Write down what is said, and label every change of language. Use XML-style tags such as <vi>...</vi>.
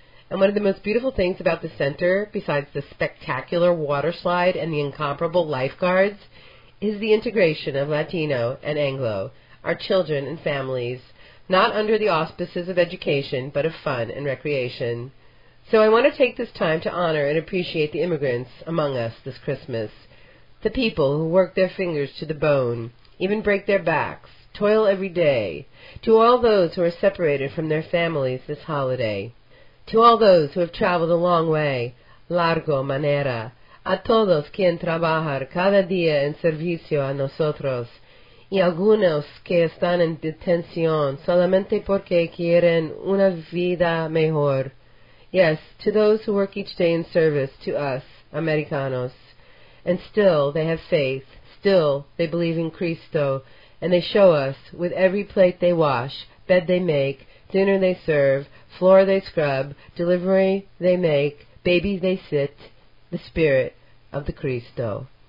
<en>And one of the most beautiful things about the center, besides the spectacular water slide and the incomparable lifeguards, is the integration of Latino and Anglo, our children and families, not under the auspices of education, but of fun and recreation. So I want to take this time to honor and appreciate the immigrants among us this Christmas, the people who work their fingers to the bone, even break their backs, toil every day, to all those who are separated from their families this holiday. To all those who have traveled a long way,</en> <es>largo manera, a todos quien trabajar cada día en servicio a nosotros, y algunos que están en detención solamente porque quieren una vida mejor.</es> <en>Yes, to those who work each day in service to us, Americanos, and still they have faith, still they believe in Cristo, and they show us with every plate they wash, bed they make, dinner they serve, floor they scrub, delivery they make, baby they sit, the spirit of the Cristo.</en>